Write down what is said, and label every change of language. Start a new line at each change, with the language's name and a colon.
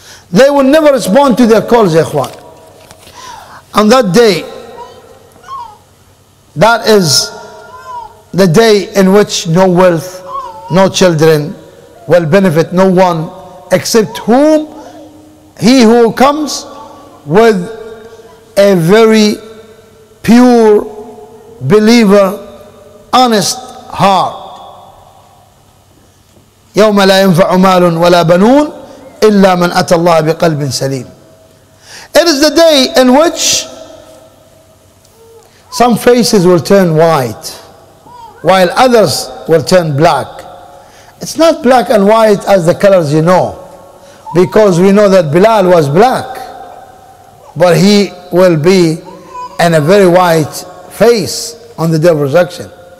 English: They will never respond to their calls, ikhwan. On that day, that is the day in which no wealth, no children will benefit no one except whom? He who comes with a very pure believer, honest heart.
Arabic: يوم لا ينفع مال ولا بنون إلا من أتى الله بقلب سليم.
English: It is the day in which some faces will turn white, while others will turn black. It's not black and white as the colors you know, because we know that Bilal was black, but he will be in a very white face on the day of resurrection.